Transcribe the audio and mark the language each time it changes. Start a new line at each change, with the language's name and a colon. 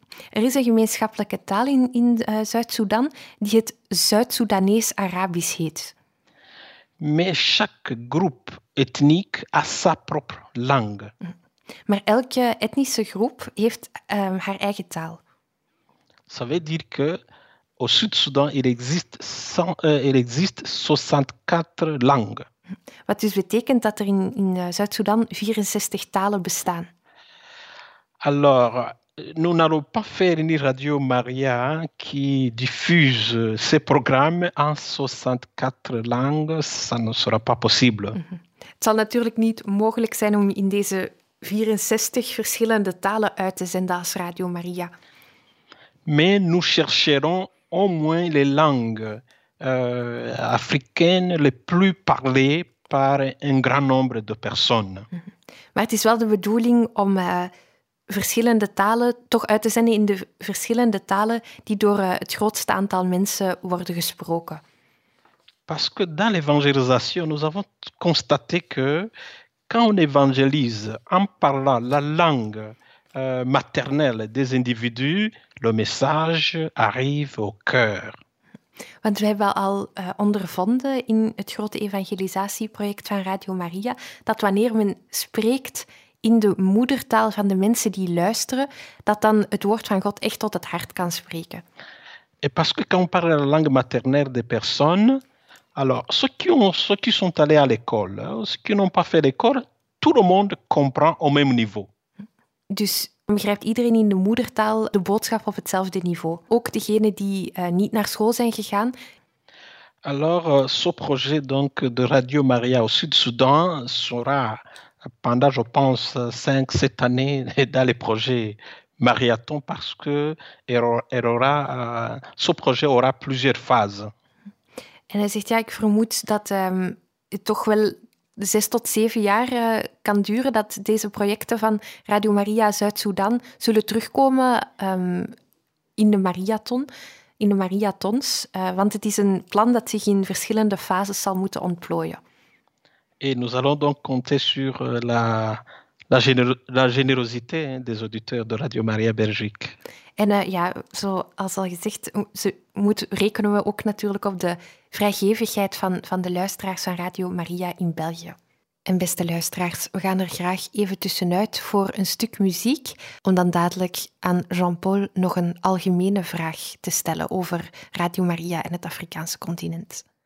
Dutch: Er is een gemeenschappelijke taal in Zuid-Soedan die het Zuid-Soedanees-Arabisch heet.
French: Mais chaque groupe ethnique a sa propre langue.
Dutch: Maar elke etnische groep heeft haar eigen taal.
French: Ça veut dire que au Sud-Soudan il existe 64 langues.
Dutch: Wat dus betekent dat er in Zuid-Soedan 64 talen bestaan.
French: Alors, nous n'allons pas faire une Radio Maria qui diffuse ses programmes en 64 langues, ça ne sera pas possible.
Dutch: Het zal natuurlijk niet mogelijk zijn om in deze 64 verschillende talen uit te zenden als Radio Maria.
French: Mais nous chercherons au moins les langues africaines les plus parlées par un grand nombre de personnes.
Dutch: Maar het is wel de bedoeling om verschillende talen toch uit te zenden in de verschillende talen die door het grootste aantal mensen worden gesproken.
French: Parce que dans l'évangélisation, nous avons constaté que quand on évangélise en parlant la langue maternelle des individus, le message arrive au cœur.
Dutch: Want we hebben al ondervonden in het grote evangelisatieproject van Radio Maria dat wanneer men spreekt in de moedertaal van de mensen die luisteren, dat dan het woord van God echt tot het hart kan spreken.
French: Et parce que quand on parle la langue maternelle des personnes, alors ceux qui sont allés à l'école, ceux qui n'ont pas fait l'école, tout le monde comprend au même niveau.
Dutch: Dus begrijpt iedereen in de moedertaal de boodschap op hetzelfde niveau. Ook degenen die niet naar school zijn gegaan.
French: Alors, ce projet donc de Radio Maria au Sud-Soudan sera pendant, je pense, 5-7 années dans les projets Marathon parce que ce projet aura plusieurs phases.
Dutch: En hij zegt, ja, ik vermoed dat het toch wel 6 tot 7 jaar kan duren dat deze projecten van Radio Maria Zuid-Soedan zullen terugkomen in de Mariathons. Want het is een plan dat zich in verschillende fases zal moeten ontplooien.
French: Et nous allons donc compter sur la générosité des auditeurs de Radio Maria Belgique.
Dutch: En zoals al gezegd, rekenen we ook natuurlijk op de vrijgevigheid van de luisteraars van Radio Maria in België. En beste luisteraars, we gaan er graag even tussenuit voor een stuk muziek, om dan dadelijk aan Jean-Paul nog een algemene vraag te stellen over Radio Maria en het Afrikaanse continent.